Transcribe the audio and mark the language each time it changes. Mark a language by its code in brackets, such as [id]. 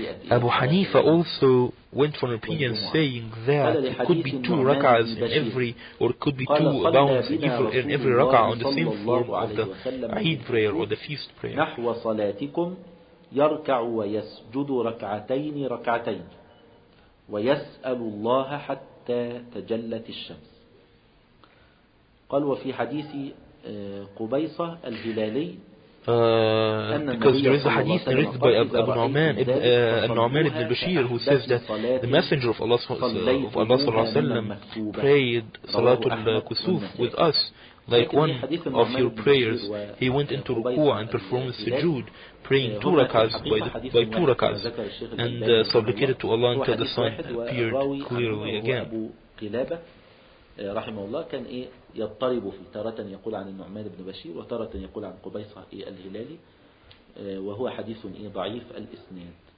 [en] Abu Hanifa also went for an opinion saying that it could be two rak'ahs in every, or it could be two bounds in every rak'ah on the same form of the Eid prayer or the feast prayer. [ar] نحو صلاتكم يركع ويسجد ركعتين ركعتين ويسأل الله حتى تجلت الشمس. قال وفي حديث قبيصة الهلالي [en] Because there is a hadith narrated by Abu Nu'man ibn Bashir, who says that the Messenger of Allah sallallahu alaihi wasallam prayed Salatul Kusuf with us, like one of your prayers. He went into ruku'ah and performed sujood, praying two rak'ahs by two rak'ahs, and supplicated to Allah until the sun appeared clearly again. [ar] رحمه الله كان إيه يضطرب في تارة يقول عن النعمان بن بشير وتارة يقول عن قبيصة الهلالي وهو حديث إيه ضعيف الإسناد.